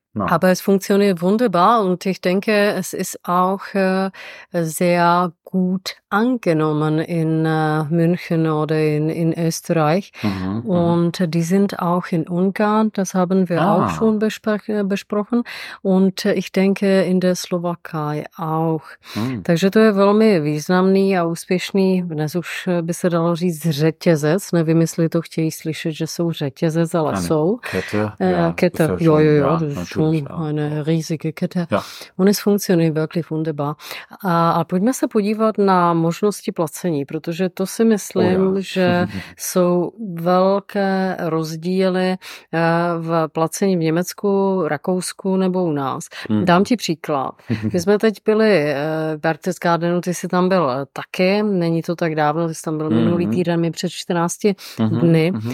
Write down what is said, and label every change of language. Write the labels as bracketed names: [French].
[German] Aber es funktioniert wunderbar und ich denke, es ist auch sehr gut angenommen in München oder in Österreich. Und die sind auch in Ungarn, das haben wir auch schon besprochen. Und ich denke, in der Slowakei auch. [Czech] Takže to je velmi významný a úspěšný, dnes už by se dalo říct řetězec, nevím, jestli to chtějí slyšet, že jsou řetězec, ale jsou. [German] Kette. Jo, das ist schon eine riesige Kette. Und es funktioniert wirklich wunderbar. [Czech] A pojďme se podívat na možnosti placení, protože to si myslím, že jsou velké rozdíly v placení v Německu, Rakousku nebo u nás. Dám ti příklad. My jsme teď byli v Berchtesgadenu, ty jsi tam byl taky, není to tak dávno, ty jsi tam byl minulý týden, mi před 14 dny.